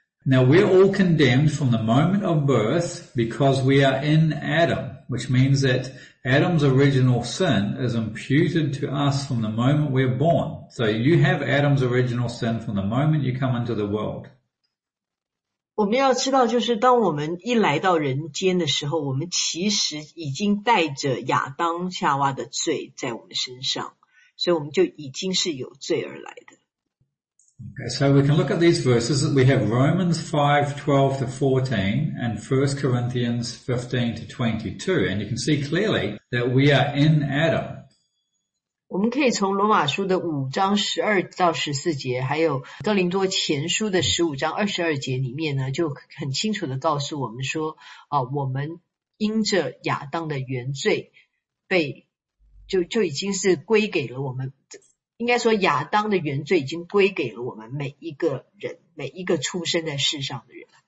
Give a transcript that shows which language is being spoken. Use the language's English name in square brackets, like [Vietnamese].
[English] Now, we're all condemned from the moment of birth because we are in Adam, which means that Adam's original sin is imputed to us from the moment we're born. So you have Adam's original sin from the moment you come into the world. [Chinese] 我们要知道就是当我们一来到人间的时候，我们其实已经带着亚当夏娃的罪在我们身上，所以我们就已经是有罪而来的。 [English] Okay, so we can look at these verses. We have Romans 5:12-14 and 1 Corinthians 15-22, and you can see clearly that we are in Adam. [Chinese] 我们可以从罗马书的五章十二到十四节，还有哥林多前书的十五章二十二节里面呢，就很清楚的告诉我们说，我们因着亚当的原罪就已经是归给了我们，应该说亚当的原罪已经归给了我们每一个人，每一个出生在世上的人。